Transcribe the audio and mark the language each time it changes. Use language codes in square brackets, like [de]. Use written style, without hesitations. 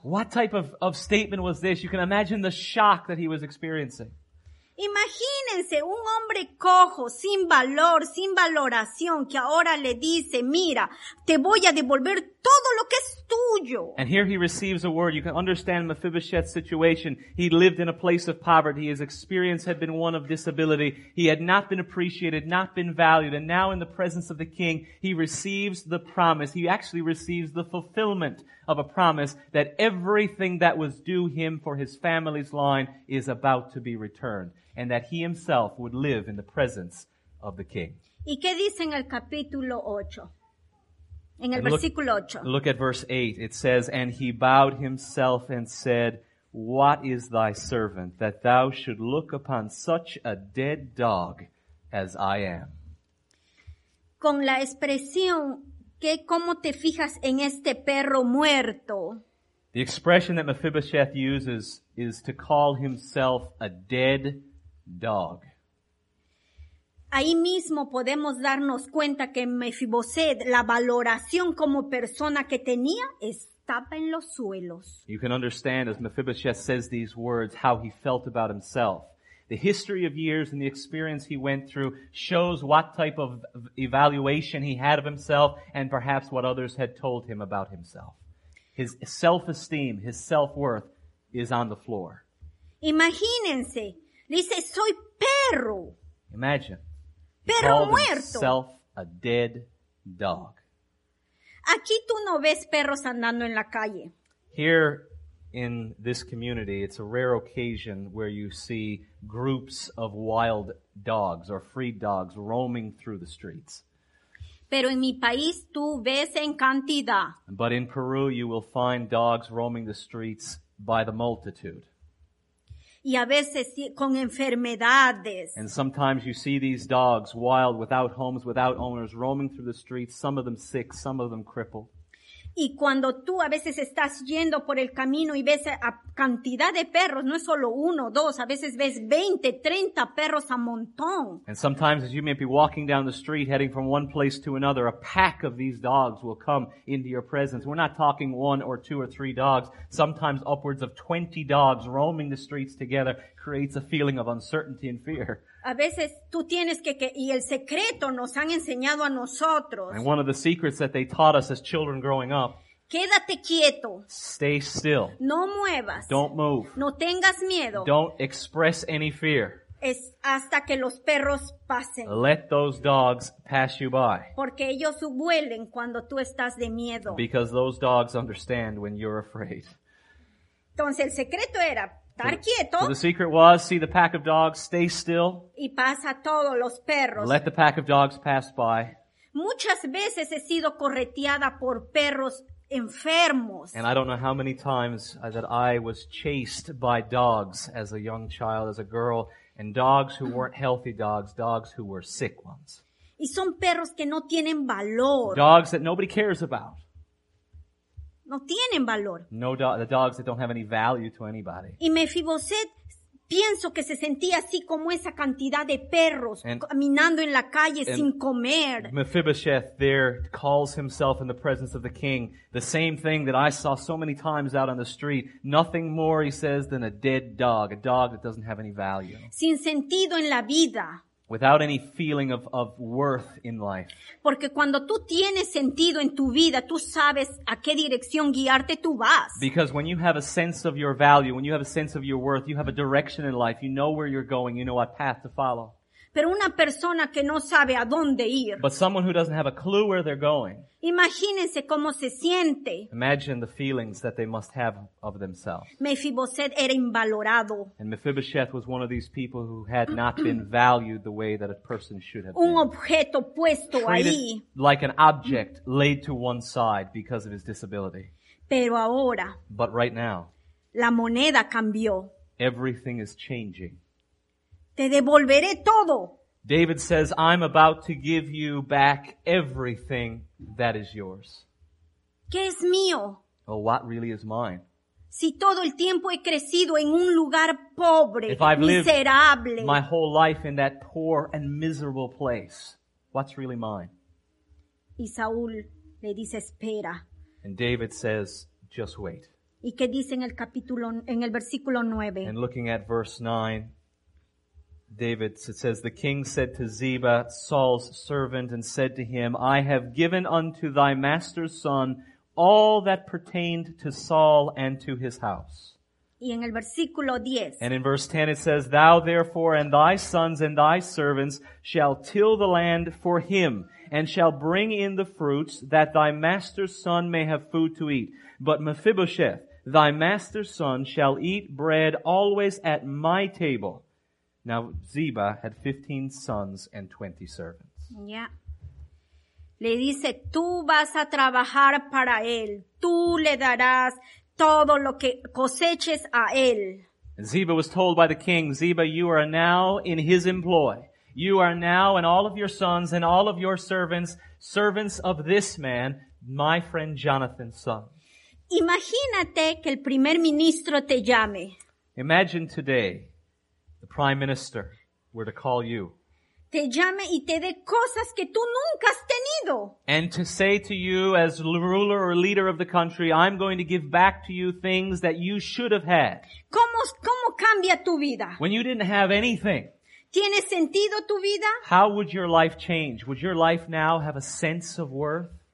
[en] What type of statement was this? You can imagine the shock that he was experiencing. [es] Imagínense un hombre cojo, sin valor, sin valoración, que ahora le dice, mira, te voy a devolver todo lo que es tuyo. [en] And here he receives a word. You can understand Mephibosheth's situation. He lived in a place of poverty. His experience had been one of disability. He had not been appreciated, not been valued. And now in the presence of the king, he receives the promise. He actually receives the fulfillment of a promise that everything that was due him for his family's line is about to be returned, and that he himself would live in the presence of the king. [es] ¿Y qué dice en el capítulo 8? En el versículo 8. [en] Look at verse 8. It says, "And he bowed himself and said, What is thy servant, that thou should look upon such a dead dog as I am?" [es] Con la expresión, ¿qué, cómo te fijas en este perro muerto? [en] The expression that Mephibosheth uses is to call himself a dead dog. [es] Ahí mismo podemos darnos cuenta que Mefiboset, la valoración como persona que tenía, estaba en los suelos. [en] You can understand, as Mephibosheth says these words, how he felt about himself. The history of years and the experience he went through shows what type of evaluation he had of himself, and perhaps what others had told him about himself. His self-esteem, his self-worth is on the floor. [es] Imagínense. Dice, soy perro. [en] Imagine. [es] Perro muerto. [en] Himself a dead dog. [es] Aquí tú no ves perros andando en la calle. [en] Here in this community, it's a rare occasion where you see groups of wild dogs or freed dogs roaming through the streets. [es] Pero en mi país tú ves en cantidad. [en] But in Peru, you will find dogs roaming the streets by the multitude. [es] Y a veces con enfermedades. [en] And sometimes you see these dogs wild, without homes, without owners, roaming through the streets, some of them sick, some of them crippled. [es] Y cuando tú a veces estás yendo por el camino y ves a cantidad de perros, no es solo uno, dos, a veces ves 20, 30 perros a montón. [en] And sometimes as you may be walking down the street, heading from one place to another, a pack of these dogs will come into your presence. We're not talking one or two or three dogs. Sometimes upwards of 20 dogs roaming the streets together creates a feeling of uncertainty and fear. [es] A veces tú tienes que y el secreto nos han enseñado a nosotros. [en] And one of the secrets that they taught us as children growing up. [es] Quédate quieto. [en] Stay still. [es] No muevas. [en] Don't move. [es] No tengas miedo. [en] Don't express any fear. [es] es hasta que los perros pasen. [en] Let those dogs pass you by. [es] Porque ellos huelen cuando tú estás de miedo. [en] Because those dogs understand when you're afraid. [es] Entonces el secreto era estar quieto. [en] So the secret was, see the pack of dogs, stay still. [es] Y pasa todos los perros. [en] Let the pack of dogs pass by. [es] Muchas veces he sido correteada por perros enfermos. [en] And I don't know how many times that I was chased by dogs as a young child, as a girl, and dogs who weren't healthy dogs, dogs who were sick ones. [es] Y son perros que no tienen valor. [en] Dogs that nobody cares about. [es] No tienen valor. [en] No, the dogs that don't have any value to anybody. [es] Y Mefiboset, pienso que se sentía así como esa cantidad de perros caminando en la calle sin comer. [en] Mephibosheth there calls himself in the presence of the king the same thing that I saw so many times out on the street. Nothing more, he says, than a dead dog, a dog that doesn't have any value. [es] Sin sentido en la vida. [en] Without any feeling of worth in life. [es] Porque cuando tú tienes sentido en tu vida, tú sabes a qué dirección guiarte tú vas. [en] Because when you have a sense of your value, when you have a sense of your worth, you have a direction in life, you know where you're going, you know what path to follow. [es] Pero una persona que no sabe a dónde ir. [en] But someone who doesn't have a clue where they're going. [es] Imagínense cómo se siente. [en] Imagine the feelings that they must have of themselves. [es] Mefiboset era invalorado. [en] And Mephibosheth was one of these people who had not been valued the way that a person should have [es] un [en] been. [es] Un objeto puesto [en] treated [es] ahí. [en] Like an object laid to one side because of his disability. [es] Pero ahora. [en] But right now. [es] La moneda cambió. [en] Everything is changing. [es] Te devolveré todo. [en] David says, I'm about to give you back everything that is yours. [es] ¿Qué es mío? [en] Oh, what really is mine? [es] Si todo el tiempo he crecido en un lugar pobre, miserable. [en] If I've lived my whole life in that poor and miserable place, what's really mine? [es] Y Saúl le dice, espera. [en] And David says, just wait. [es] ¿Y qué dice en el capítulo, en el versículo 9? [en] And looking at verse 9, David, it says, the king said to Ziba, Saul's servant, and said to him, I have given unto thy master's son all that pertained to Saul and to his house. [es] Y en el versículo 10. [en] And in verse 10 it says, thou therefore and thy sons and thy servants shall till the land for him, and shall bring in the fruits, that thy master's son may have food to eat. But Mephibosheth, thy master's son, shall eat bread always at my table. Now, Ziba had 15 sons and 20 servants. Yeah. [es] Le dice, tú vas a trabajar para él. Tú le darás todo lo que coseches a él. [en] Ziba was told by the king, Ziba, you are now in his employ. You are now and all of your sons and all of your servants, servants of this man, my friend Jonathan's son. [es] Imagínate que el primer ministro te llame. [en] Imagine today. Prime Minister, were to call you. [es] Te llame y te dé cosas que tú nunca has tenido. [en] And to say to you as ruler or leader of the country, I'm going to give back to you things that you should have had. [es] ¿Cómo cambia tu vida? [en] When you didn't have anything. [es] ¿Tiene sentido tu vida? [en] How would your life change? Would your life now have a sense of worth?